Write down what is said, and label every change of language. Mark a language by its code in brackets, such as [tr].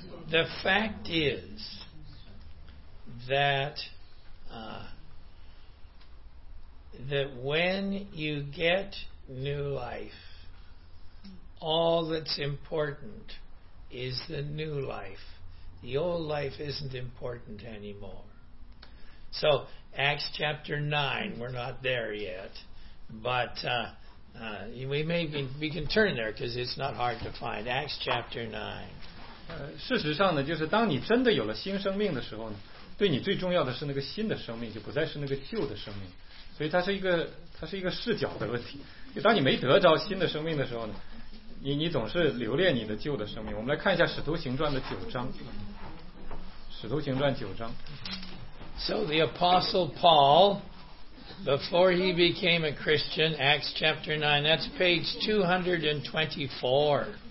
[en] The fact is that that when you get new life, all that's important is the new life. The old life isn't important anymore. So, Acts chapter 9, we're not there yet, but we can turn there because it's not hard to find. Acts chapter 9. [zh] 事实上呢，就是当你真的有了新生命的时候呢，对你最重要的是那个新的生命，就不再是那个旧的生命。所以它是一个视角的问题。当你没得着新的生命的时候呢，你总是留恋你的旧的生命。我们来看一下《使徒行传》的九章，《使徒行传》九章。 [en] So the Apostle Paul, before he became a Christian, Acts chapter 9, that's page 224.